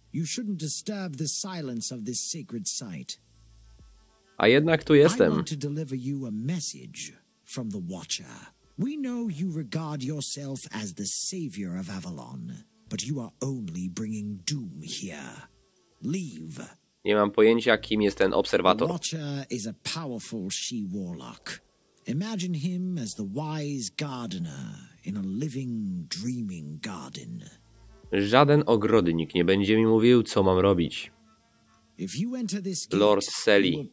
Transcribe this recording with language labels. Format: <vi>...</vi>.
<en>You shouldn't disturb the silence of this sacred site.</en> <pl>A jednak tu jestem.</pl> <en>I want to deliver you a message from the Watcher. We know you regard yourself as the savior of Avalon, but you are only bringing doom here. Leave.</en> <pl>Nie mam pojęcia, kim jest ten obserwator.</pl> <en>The Watcher is a powerful she-warlock. Imagine him as the wise gardener. In a living, dreaming garden.</en> <pl>Żaden ogrodnik nie będzie mi mówił, co mam robić. Lord Selly.</pl>